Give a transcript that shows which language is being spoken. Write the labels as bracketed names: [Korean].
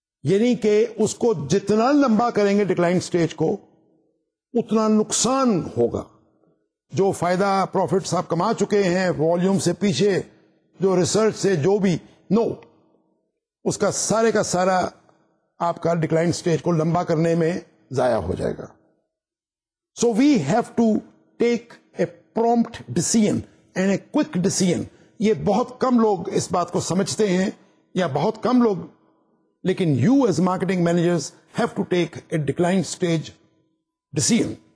[Urdu] یعنی کہ اس کو جتنا لمبا کریں گے ڈکلائن سٹیج کو اتنا نقصان ہوگا. جو فائدہ پروفٹ صاحب کما چکے ہیں والیوم سے پیچھے جو ریسرچ سے جو بھی نو اس کا سارے کا سارا آپ کا ڈکلائن سٹیج کو لمبا کرنے میں ضائع ہو جائے گا. [English] So we have to take a prompt decision and a quick decision. [Urdu] یہ بہت کم لوگ اس بات کو سمجھتے ہیں یا بہت کم لوگ, لیکن [English] You as marketing managers have to take a decline stage decision.